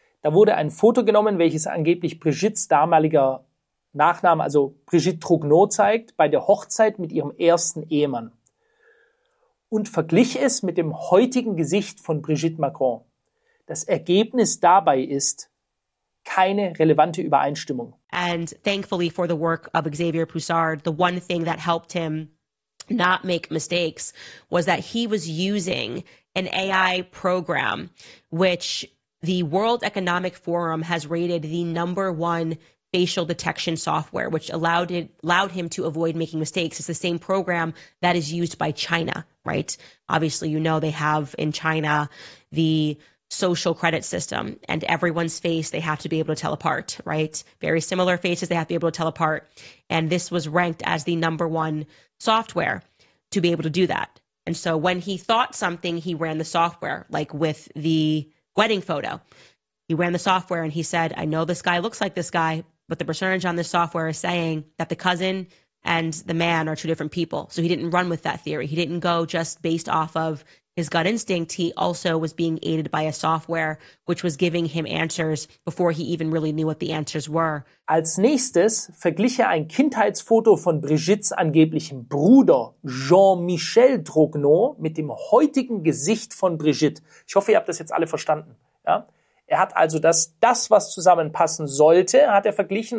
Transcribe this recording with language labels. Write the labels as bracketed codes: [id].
[de] Da wurde ein Foto genommen, welches angeblich Brigittes damaliger Nachname, also Brigitte Trognon, zeigt, bei der Hochzeit mit ihrem ersten Ehemann. Und verglich es mit dem heutigen Gesicht von Brigitte Macron. Das Ergebnis dabei ist keine relevante Übereinstimmung. [en] And thankfully for the work of Xavier Poussard, the one thing that helped him not make mistakes was that he was using an AI program, which the World Economic Forum has rated the number one facial detection software, which allowed him to avoid making mistakes. It's the same program that is used by China, right? Obviously, you know, they have in China the social credit system, and everyone's face they have to be able to tell apart, right? Very similar faces they have to be able to tell apart. And this was ranked as the number one software to be able to do that. And so when he thought something, he ran the software, like with the wedding photo. He ran the software and he said, I know this guy looks like this guy, but the percentage on this software is saying that the cousin and the man are two different people. So he didn't run with that theory. He didn't go just based off of his gut instinct. He also was being aided by a software, which was giving him answers before he even really knew what the answers were. [de] Als nächstes verglich er ein Kindheitsfoto von Brigittes angeblichem Bruder Jean-Michel Trognon mit dem heutigen Gesicht von Brigitte. Ich hoffe, ihr habt das jetzt alle verstanden. Ja? Er hat also das, was zusammenpassen sollte, hat er verglichen.